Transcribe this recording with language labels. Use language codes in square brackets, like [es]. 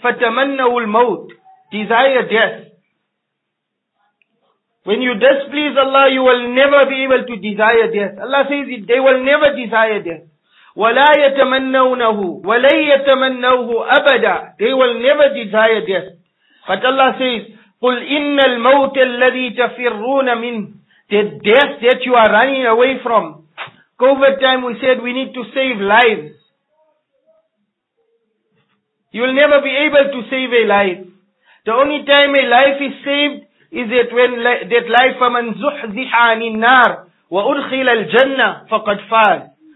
[ar] فَتَمَنَّهُ الْمَوْتِ. [en] Desire death. When you displease Allah, you will never be able to desire death. Allah says it, they will never desire death. [ar] وَلَا يَتَمَنَّوْنَهُ وَلَن يَتَمَنَّوْهُ أَبَدًا. [en] They will never desire death. But Allah says, [ar] قُلْ إِنَّ الْمَوْتَ الَّذِي تَفِرُّونَ مِنْهُ. [en] The death that you are running away from. COVID time, we said we need to save lives. You will never be able to save a life. The only time a life is saved is that when that life, [ar] فَمَنْ زُحْزِحَ عَنِ النَّارِ وَأُدْخِلَ الْجَنَّةِ فَقَدْ فَازَ.